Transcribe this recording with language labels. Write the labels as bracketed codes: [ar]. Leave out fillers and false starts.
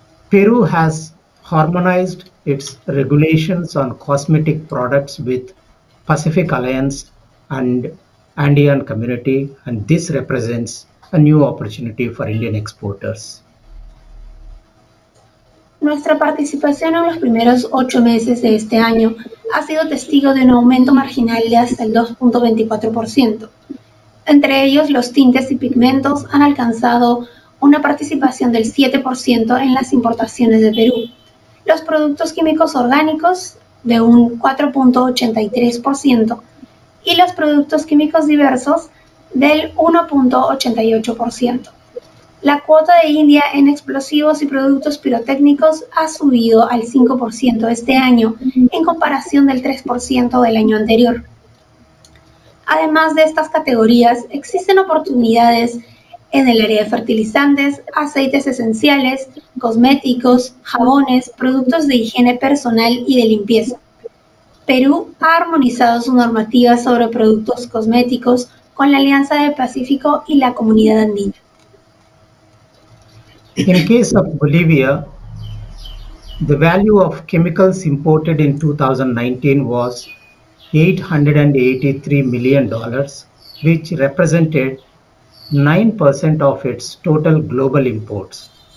[en] Peru has harmonized its regulations on cosmetic products with Pacific Alliance and Andean community, and this represents a new opportunity for Indian exporters. [es] Nuestra participación en los primeros 8 meses de este año ha sido testigo de un aumento marginal de hasta el 2.24%. Entre ellos, los tintes y pigmentos han alcanzado una participación del 7% en las importaciones de Perú. Los productos químicos orgánicos de un 4.83% y los productos químicos diversos del 1.88%. La cuota de India en explosivos y productos pirotécnicos ha subido al 5% este año, en comparación del 3% del año anterior. Además de estas categorías, existen oportunidades en el área de fertilizantes, aceites esenciales, cosméticos, jabones, productos de higiene personal y de limpieza. Perú ha armonizado su normativa sobre productos cosméticos con la Alianza del Pacífico y la Comunidad Andina. [en] In case of Bolivia, the value of chemicals imported in 2019 was $883 million, which represented 9% of its total global imports.